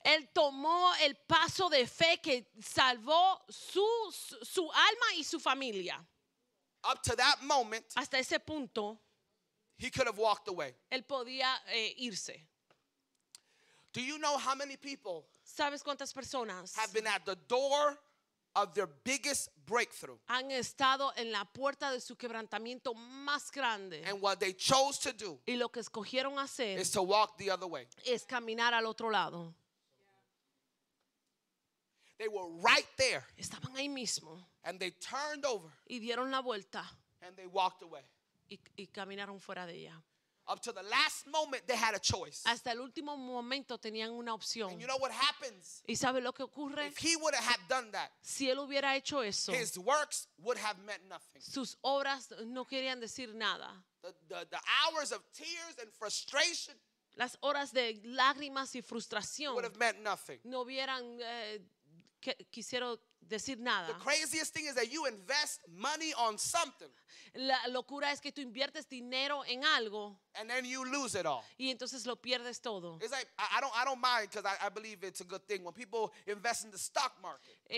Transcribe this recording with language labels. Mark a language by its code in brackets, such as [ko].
[es] Él tomó el paso de fe que salvó su alma y su familia. [en] Up to that moment, [es] hasta ese punto, [en] he could have walked away. [es] Él podía irse. [en] Do you know how many people, [es] ¿sabes cuántas personas, [en] have been at the door of their biggest breakthrough? [es] Han estado en la puerta de su quebrantamiento más grande. [en] And what they chose to do. [es] Y lo que escogieron hacer. [en] Is to walk the other way. [es] Es caminar al otro lado. [en] They were right there. [es] Estaban ahí mismo. [en] And they turned over. [es] Y dieron la vuelta. [en] And they walked away. [es] Y caminaron fuera de ella. [en] Up to the last moment they had a choice. [es] Hasta el último momento tenían una opción. [en] And you know what happens? [es] ¿Y sabe lo que ocurre? [en] If he would have done that. [es] Si él hubiera hecho eso. [en] His works would have meant nothing. [es] Sus obras no querían decir nada. [en] The hours of tears and frustration. [es] Las horas de lágrimas y frustración. [en] Would have meant nothing. [es] No hubieran quisiera decir nada. [en] The craziest thing is that you invest money on something. [es] La locura es que tú inviertes dinero en algo. [en] And then you lose it all. [es] Y entonces lo pierdes todo. [en] It's like I don't mind because I believe it's a good thing when people invest in the stock market.